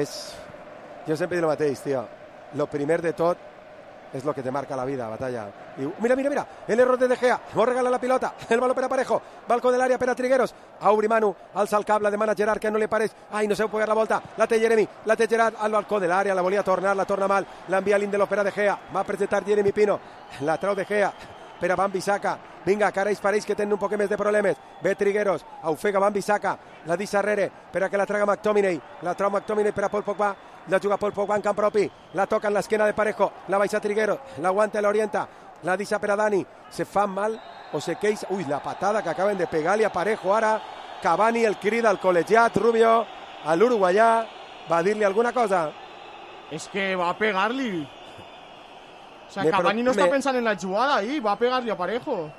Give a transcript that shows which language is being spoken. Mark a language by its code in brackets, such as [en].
[ca] És, jo sempre dic el mateix, tio. Lo primer de tot és lo que te marca la vida, batalla. Diu, mira, el error de Gea, vol regalar la pilota, el baló per a Parejo, balcó de l'àrea per a Trigueros, obre Manu, alça el cap, la demana Gerard, que no li pareix, ai, no se puga la volta, la té Jeremy, la té Gerard, al balcó de l'àrea, la volia tornar, la torna mal, l'envia Lindelof per a Gea, va a presentar Jeremy Pino, la trau de Gea per a Wan-Bissaka, vinga, que ara ells pareix que tenen un poc més de problemes, ve Trigueros, ofega Wan-Bissaka, la deixa arrere per a que la traga McTominay, la trau McTominay per a Paul Pogba, la juga Paul Pogba en camp propi, la toca en l'esquena de Parejo, la baixa Trigueros, l'aguanta, l'orienta, la deixa per a Dani, se fa mal o se queix, ui, la patada que acaben de pegar-li a Parejo ara, Cavani el crida al col·legiat, Rubio, a l'uruguaià, va dir-li alguna cosa? És que va pegar-li. [es] O sea, Cavani no está pensando en la jugada ahí, va a pegarle a Parejo.